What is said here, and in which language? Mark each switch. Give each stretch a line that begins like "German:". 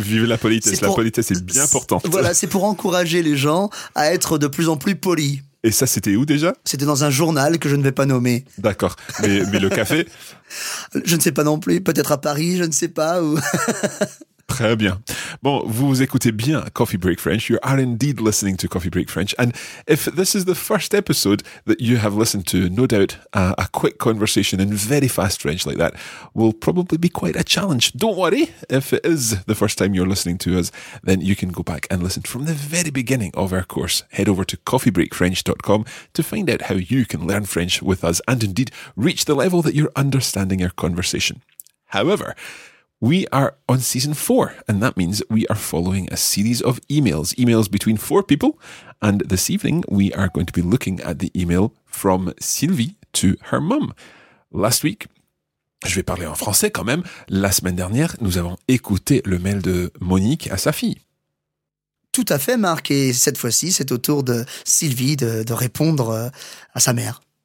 French: Vive la politesse. La politesse est bien importante. Voilà, c'est pour encourager les gens à être de plus en plus polis. Et ça, c'était où déjà? C'était dans un journal que je ne vais pas nommer. D'accord. Mais le café? Je ne sais pas non plus. Peut-être à Paris, je ne sais pas. Où. Très bien. Bon, vous écoutez bien Coffee Break French.
English: You are indeed listening to Coffee Break French. And if this is the first episode that you have listened to, no doubt a quick conversation in very fast French like that will probably be quite a challenge. Don't worry, if it is the first time you're listening to us, then you can go back and listen from the very beginning of our course. Head over to coffeebreakfrench.com to find out how you can learn French with us and indeed reach the level that you're understanding our conversation. However, we are on season 4, and that means we are following a series of emails, emails between four people, and this evening we are going to be looking at the email from Sylvie to her mum. Last week,
French: je vais parler en français quand même, la semaine dernière, nous avons écouté le mail de Monique à sa fille. Tout à fait, Marc, et cette fois-ci, c'est au tour de Sylvie de répondre à sa mère.